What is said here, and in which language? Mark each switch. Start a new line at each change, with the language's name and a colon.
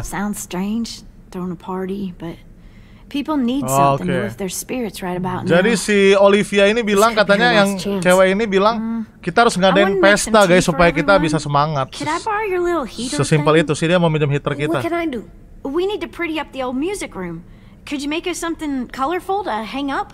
English: I know it sounds strange, throwing a party, but people need something to lift their spirits right about now.
Indonesian: Jadi si Olivia ini bilang, katanya yang cewek ini bilang, kita harus ngadain pesta guys supaya kita bisa semangat.
English: Can I borrow your little heater?
Indonesian: Sesimpel itu sih, dia mau minjem heater kita.
English: What can I do? We need to pretty up the old music room. Could you make us something colorful to hang up?